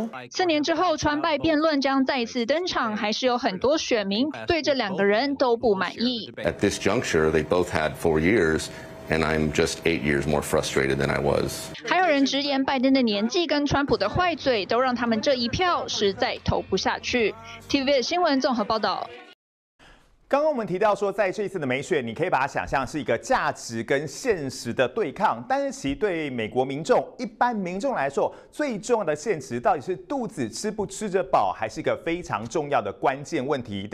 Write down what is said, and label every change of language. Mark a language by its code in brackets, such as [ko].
[zh] 四年之后，川败辩论将再次登场，还是有很多选民对这两个人都不满意。 [en] At this juncture, they both had 4 years. And I'm just 8 years more frustrated than I was. [zh] 还有人直言，拜登的年纪跟川普的坏嘴，都让他们这一票实在投不下去。 TVBS 新闻综合报道。刚刚我们提到说，在这次的美选，你可以把它想象是一个价值跟现实的对抗，但是其对美国民众、一般民众来说，最重要的现实到底是肚子吃不吃着饱，还是一个非常重要的关键问题。